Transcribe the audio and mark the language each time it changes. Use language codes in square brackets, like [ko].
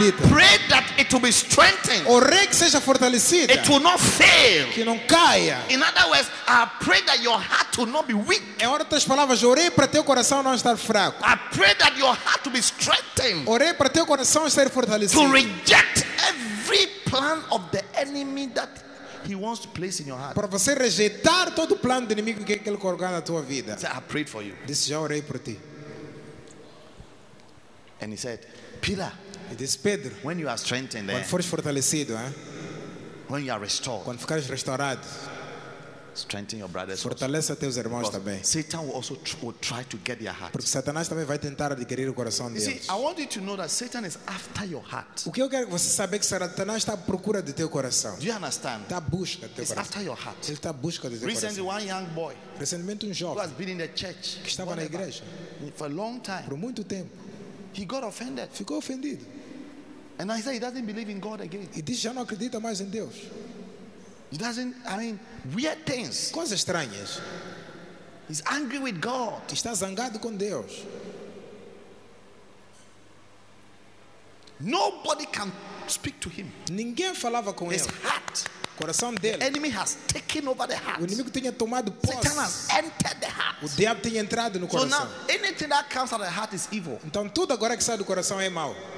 [en] I have prayed that it will be strengthened. [pt] Orei que seja fortalecida. [en] It will not fail. [pt] Que não caia. [en] In other words, I pray that your heart will not be weak. [pt] Em outras palavras, orei para teu coração não estar fraco. [en] I pray that your heart will be strengthened. [pt] Orei para teu coração estar fortalecido. [en] To reject every plan of the enemy that He wants to place in your heart. [pt] Para você rejeitar todo o plano do inimigo que ele colocou na tua vida. [en] He said, I prayed for you. [pt] Disse, já orei por ti. [en] And he said, Peter. It is Pedro. When you are strengthened, [pt] quando fores fortalecido, eh? [en] When you are restored. [pt] Quando ficares restaurado. [en] Strengthen your brothers. [pt] Fortaleça [en] also. [pt] Teus irmãos [en] because [pt] também. [en] Satan will also try to get their heart. [pt] Porque Satanás também vai tentar adquirir o coração [en] you [pt] deles. [en] See, I want you to know that Satan is after your heart. [pt] O que eu quero que você saiba é que Satanás está à procura de teu coração. [en] Do you understand? [pt] Está à busca de teu [en] it's [pt] coração. [en] After your heart. [pt] Ele está à busca de teu [en] recently, [pt] coração. [en] One young boy [pt] recentemente um jovem [en] who has been in the church, [pt] que estava [en] whatever, [pt] na igreja [en] for a long time, [pt] por muito tempo, [en] he got offended. [pt] Ficou ofendido. [en] And I said he doesn't believe in God again. [pt] E disse já não acredita mais em Deus. [en] He doesn't. I mean, weird things. [pt] Coisas estranhas. [en] He's angry with God. [pt] Está zangado com Deus. [en] Nobody can speak to him. [pt] Ninguém falava com [en] his [pt] ele. [en] His heart. [pt] Coração dele. [en] The enemy has taken over the heart. [pt] O inimigo tinha tomado posse. [en] Satan has entered the heart. [pt] O diabo tinha entrado no coração. [en] So now, anything that comes out of the heart is evil. [pt] Então tudo agora que sai do coração é mau.